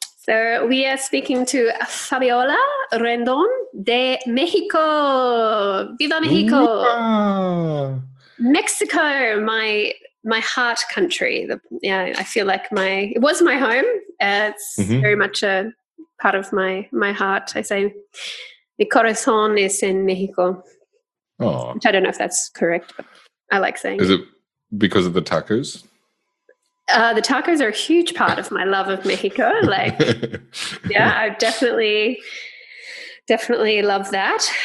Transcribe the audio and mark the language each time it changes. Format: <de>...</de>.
<en>So we are speaking to Fabiola Rendon de Mexico.</en> <es>Viva Mexico.</es> <en>Yeah. Mexico, my heart country. I feel like it was my home. It's very much a part of my heart. I say</en> <es>mi corazón es en Mexico.</es> <en>Oh. Which I don't know if that's correct, but I like saying is it. Because of the tacos? The tacos are a huge part of my love of Mexico. Like, yeah, I definitely love that.</en>